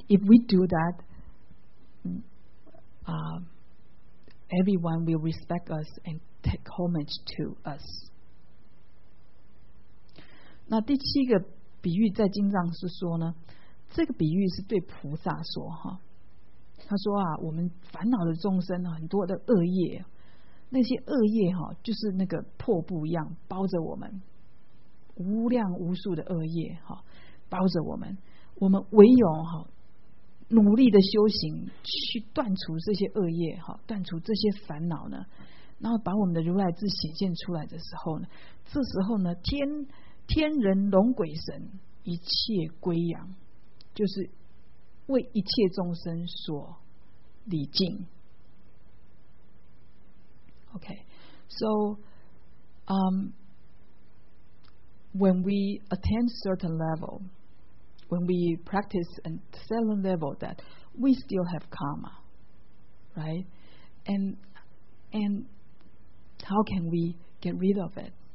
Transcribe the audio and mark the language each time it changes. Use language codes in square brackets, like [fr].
[en] If we do that, everyone will respect us and take homage to us. [zh] 那第七个比喻在经藏是说呢，这个比喻是对菩萨说哈。他说我们烦恼的众生很多的恶业。那些恶业就是那个破布一样包着我们，无量无数的恶业包着我们，我们唯有努力的修行去断除这些恶业，断除这些烦恼呢，然后把我们的如来智显现出来的时候呢，这时候呢 天人龙鬼神一切归养，就是为一切众生所礼敬。 [en] Okay, so when we attain certain level, when we practice a certain level, that we still have karma, right? And how can we get rid of it?